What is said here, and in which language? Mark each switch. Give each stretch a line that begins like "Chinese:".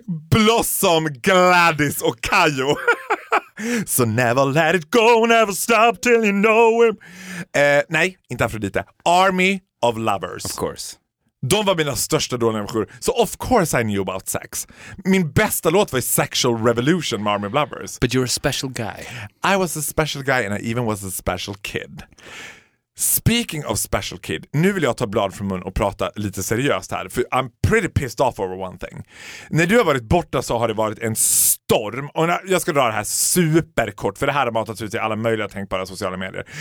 Swedish: Blossom, Gladys och Kayo.
English: So never let it go, never stop till you know him.
Swedish: Nej, inte Afrodite.
English: Army of Lovers. Of course.
Swedish: De var mina största dåliga människor. Så
English: of course I knew about sex.
Swedish: Min bästa låt var Sexual Revolution med Army of Lovers.
English: But you're a special guy. I was a special guy and I even was a special kid. Speaking of special kid,
Swedish: nu vill jag ta blad från mun och prata lite seriöst här. För
English: I'm pretty pissed off over one thing.
Swedish: När du har varit borta så har det varit en storm. Och jag ska dra det här superkort, för det här har matats ut i alla möjliga tänkbara sociala medier.